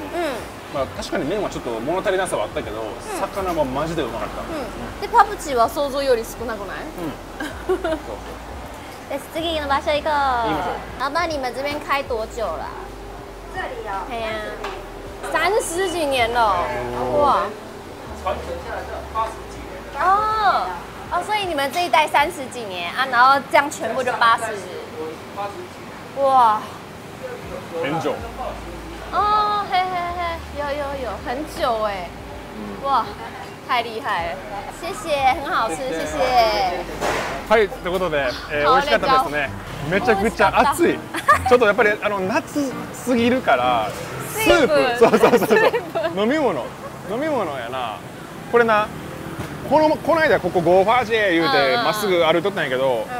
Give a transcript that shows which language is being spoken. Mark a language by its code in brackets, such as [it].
[ja] うん、まあ、確かに麺はちょっと物足りなさはあったけど、うん、魚はマジでうまかった、うんうん、でパプチーは想像より少なくない。うん、そうそう。で次の場所行こう。あまり真面目に書いておちょうら [zh] 这里哦对呀三十几年了哇传承下来的八十几年的哦，所以你们这一代三十几年啊，然后这样全部就八十，哇，很久，哦，嘿嘿嘿，有有有，很久哎，哇，太厉害了，谢谢，很好吃，谢谢。 [ja] はい、ということで、美味しかったですね。めちゃくちゃ暑い。ちょっとやっぱりあの夏すぎるからスープ、そうそうそうそう、飲み物。飲み物やな。これな、この間ここゴーファージェ言うてまっすぐ歩いとったんやけど、